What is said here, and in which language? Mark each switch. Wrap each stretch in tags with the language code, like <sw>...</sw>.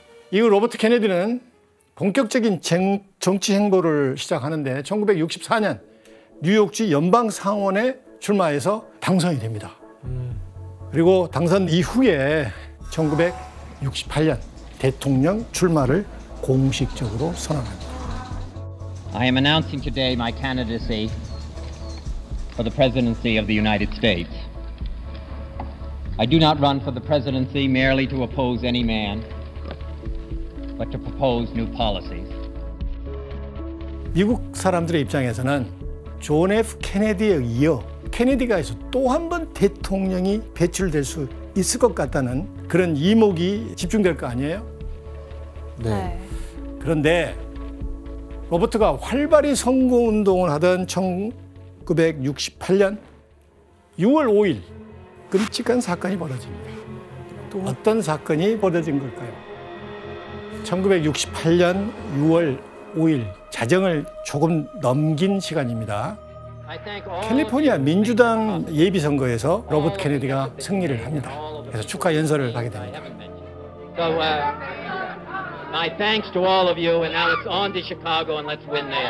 <ko>이후 로버트 케네디는 본격적인 정치 행보를 시작하는데 1964년 뉴욕주 연방 상원에 출마해서 당선이 됩니다. 그리고 당선 이후에 1968년 대통령 출마를 공식적으로 선언합니다.</ko> <en>I am announcing today my candidacy for the presidency of the United States. I do not run for the presidency merely to oppose any man, but to propose new policies.</en> <ko>미국 사람들의 입장에서는 존 F. 케네디에 이어 케네디가 해서 또 한 번 대통령이 배출될 수 있을 것 같다는 그런 이목이 집중될 거 아니에요? 네. 그런데 로버트가 활발히 선거운동을 하던 1968년 6월 5일 끔찍한 사건이 벌어집니다. 또 어떤 사건이 벌어진 걸까요? 1968년 6월 5일 자정을 조금 넘긴 시간입니다. 캘리포니아 민주당 예비선거에서 로버트 케네디가 승리를 합니다. 그래서 축하 연설을 하게 됩니다.</ko> <en>My thanks to all of you, and now it's on to Chicago, and let's win there.</en>